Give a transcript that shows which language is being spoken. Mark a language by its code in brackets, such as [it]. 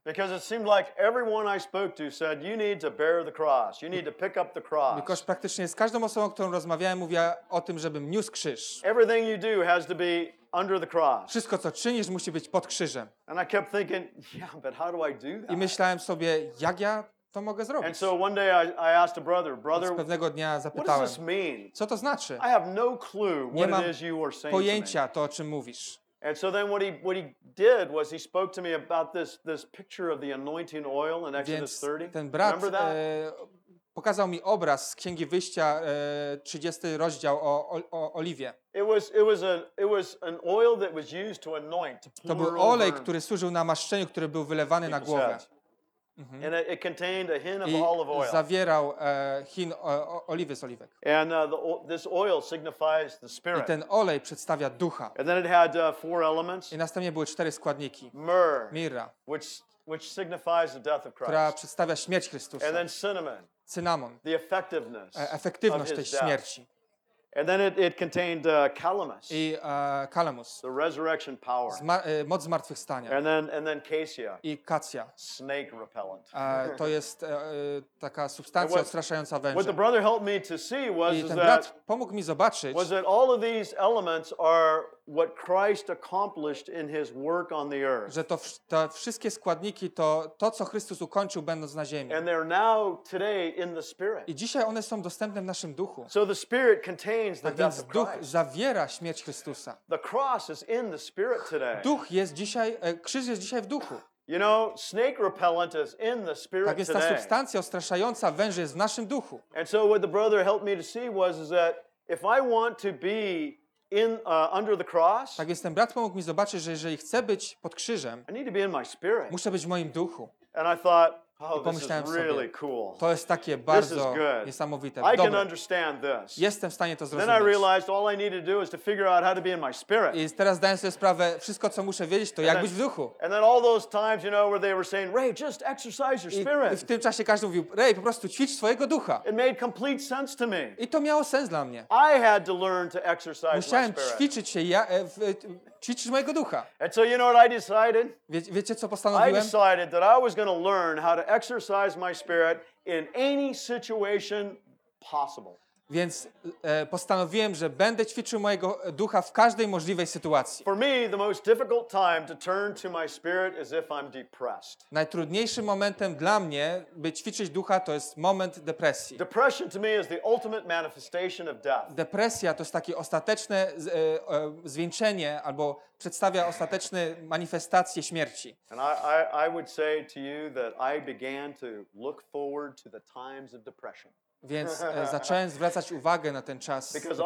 [en] Because it seemed like everyone I spoke to said you need to bear the cross, you need to pick up the cross. [pl] Ponieważ praktycznie z każdą osobą, którą rozmawiałem, mówiła o tym, żebym niósł krzyż. [en] Everything you do has to be under the cross. [pl] Wszystko, co czynisz, musi być pod krzyżem. [en] And I kept thinking, yeah, but how do I do that? [pl] I myślałem sobie, jak ja to mogę zrobić. [en] And so one day I asked a brother, brother, [pl] z pewnego dnia zapytałem, [en] what does this mean? [pl] Co to znaczy? [en] I have no clue what [pl] nie mam [en] it is you are saying [pl] pojęcia to, o czym mówisz. [en] And so then what he did was he spoke to me about this picture of the anointing oil in Exodus 30. [pl] Ten brat pokazał mi obraz z Księgi Wyjścia, 30 rozdział o oliwie. [en] It was an oil that was used to anoint. [pl] To był olej, który służył na maszczeniu, który był wylewany na głowę. Mm-hmm. [en] And it contained a hint of olive oil. [pl] I zawierał hin oliwy z oliwek. [en] And this oil signifies the spirit. [pl] I ten olej przedstawia ducha. [en] And then it had four elements. [pl] I następnie były cztery składniki. [en] Myrrh, [pl] mirra, [en] which signifies the death of Christ. [pl] Która przedstawia śmierć Chrystusa. [en] And then cinnamon. [pl] Cynamon. [en] The effectiveness. [pl] Efektywność tej śmierci. [en] And then it contained calamus. [pl] I calamus. [en] The resurrection power. [pl] Moc zmartwychwstania. [en] And then cassia. [pl] I kacja. [en] Snake repellent. [pl] To jest taka substancja odstraszająca węże. [en] What the brother helped me to see was that. [pl] I ten brat pomógł mi zobaczyć. [en] Was that all of these elements are what Christ accomplished in his work on the earth. [pl] Że to wszystkie składniki to co Chrystus ukończył będąc na ziemi. [en] And they're now today in the spirit. [pl] I dzisiaj one są dostępne w naszym duchu. [en] So the spirit contains the death of Christ. [pl] Więc duch zawiera śmierć Chrystusa. [en] The cross is in the spirit today. [pl] Duch jest dzisiaj, krzyż jest dzisiaj w duchu. [en] You know, snake repellent is in the spirit today. [pl] Tak jest, ta substancja odstraszająca węże jest w naszym duchu. [en] And so what the brother helped me to see was that if I want to be under the cross. [pl] Tak więc ten brat pomógł mi zobaczyć, że jeżeli chcę być pod krzyżem, [en] I need to be in my spirit. [pl] Muszę być w moim duchu. [en] And I thought, this is really cool. [pl] To jest takie bardzo niesamowite. [en] I can understand this. [pl] Jestem w stanie to zrozumieć. [en] Then I realized all I needed to do is to figure out how to be in my spirit. [pl] I teraz zdaję sobie sprawę, wszystko co muszę wiedzieć, to jak być w duchu. [en] And then all those times, you know, where they were saying, Ray, just exercise your spirit. [pl] I w tym czasie każdy mówił, Ray, po prostu ćwicz swojego ducha. [en] It made complete sense to me. [pl] I to miało sens dla mnie. [en] I had to learn to exercise my spirit. [pl] Musiałem ćwiczyć się, ćwiczyć mojego ducha. [en] And so you know what I decided? [pl] Wiecie co postanowiłem? [en] I decided that I was going to learn how to exercise my spirit in any situation possible. [pl] Więc postanowiłem, że będę ćwiczył mojego ducha w każdej możliwej sytuacji. [en] For me, the most difficult time to turn to my spirit is if I'm depressed. [pl] Najtrudniejszym momentem dla mnie, by ćwiczyć ducha, to jest moment depresji. [en] Depression to me is the ultimate manifestation of death. [pl] Depresja to jest takie ostateczne zwieńczenie albo przedstawia ostateczne manifestacje śmierci. [en] And I would say to you that I began to look forward to the times of depression. [pl] Więc zacząłem zwracać uwagę na ten czas.